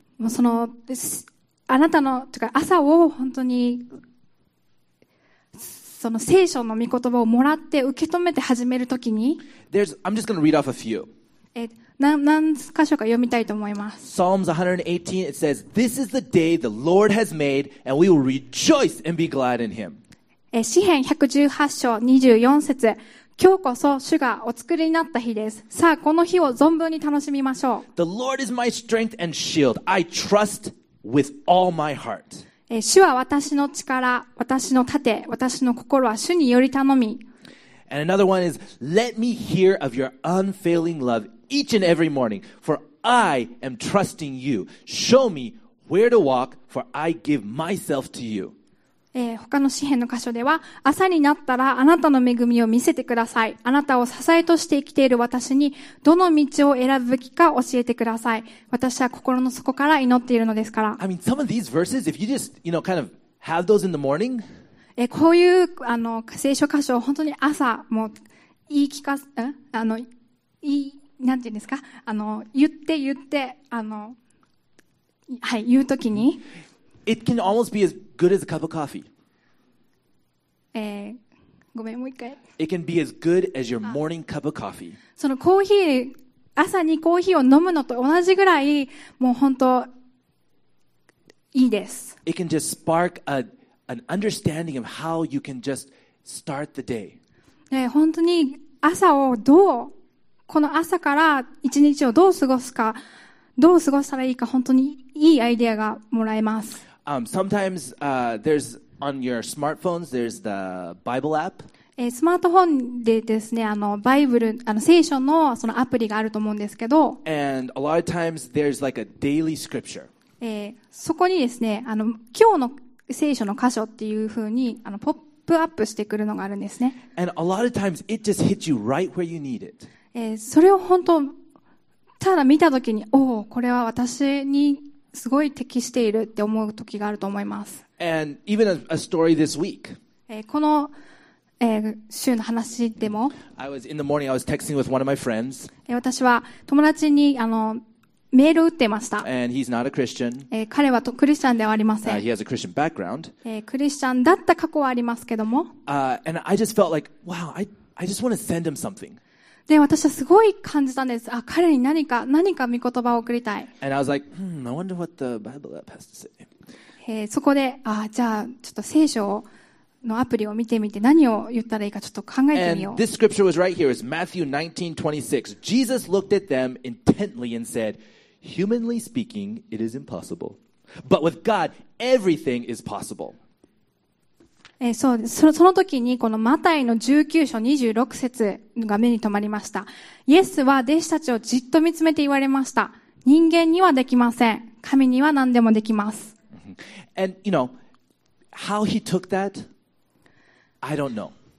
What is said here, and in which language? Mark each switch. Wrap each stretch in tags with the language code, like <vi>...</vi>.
<ja>そのあなたのとか朝を本当にその聖書の御言葉をもらって受け止めて始めるときに</ja> <en>I'm just going to read off a few.</en> <ja>何箇所か読みたいと思います。</ja> <en>Psalms 118, it says, This is the day the Lord has made, and we will rejoice and be glad in him.</en> <ja>詩篇118章24節今日こそ主がお作りになった日です。さあこの日を存分に楽しみましょう。</ja> <en>The Lord is my strength and shield. I trust with all my heart.</en> <ja>主は私の力、私の盾、私の心は主により頼み。</ja> <en>And another one is, Let me hear of your unfailing love each and every morning, for I am trusting you. Show me where to walk, for I give myself to you.</en> <ja>他の詩篇の箇所では、朝になったらあなたの恵みを見せてください。あなたを支えとして生きている私に、どの道を選ぶべきか教えてください。私は心の底から祈っているのですから。</ja> <en>I mean, some of these verses, if you just, you know, kind of have those in the morning,</en> <ja>こういう聖書箇所を本当に朝もう言い聞かす、いい、なんていうんですか、言って、はい、言うときに、</ja> <en>It can almost be as good as a cup of coffee.</en> <ja>ごめん、もう一回。</ja> <en>It can be as good as your morning cup of coffee.</en> <ja>そのコーヒー、朝にコーヒーを飲むのと同じぐらい、もう本当、いいです。</ja> <en>It can just spark an understanding of how you can just start the day.</en> <ja>本当に朝をどう、この朝から一日をどう過ごすか、どう過ごしたらいいか、本当にいいアイデアがもらえます。</ja> <en>Sometimes there's on your smartphones there's the Bible app.</en> <ja>スマートフォンでですね、バイブル、聖書のそのアプリがあると思うんですけど。</ja> <en>And a lot of times there's like a daily scripture.</en> <ja>そこにですね、今日の聖書の箇所っていう風にポップアップしてくるのがあるんですね。</ja> <en>And a lot of times it just hits you right where you need it.</en> <ja>それを本当ただ見たときに、おお、これは私に。すごい適しているって思う時があると思います。</ja> <en>And even a story this week.</en> <ja>この、週の話でも。</ja> <en>I was in the morning, I was texting with one of my friends.</en> <ja>私は友達にメールを打ってました。</ja> <en>And he's not a Christian.</en> <ja>彼はクリスチャンではありません。</ja> <en>He has a Christian background.</en> <ja>クリスチャンだった過去はありますけども。</ja> <en>And I just felt like, wow, I just want to send him something.</en> <ja>で私はすごい感じたんです。あ、彼に何か御言葉を送りたい。</ja> <en>And I was like, I wonder what the Bible app has to say.</en> <ja>そこで、あ、じゃあちょっと聖書のアプリを見てみて、何を言ったらいいかちょっと考えてみよう。</ja> <en>And this scripture was right here. It's Matthew 19:26. Jesus looked at them intently and said, "Humanly speaking, it is impossible, but with God, everything is possible."</en> <ja>その時にこのマタイの19章26節が目に留まりました。イエスは弟子たちをじっと見つめて言われました。人間にはできません。神には何でもできます。</ja> <en>And you know how he took that I don't know、</en>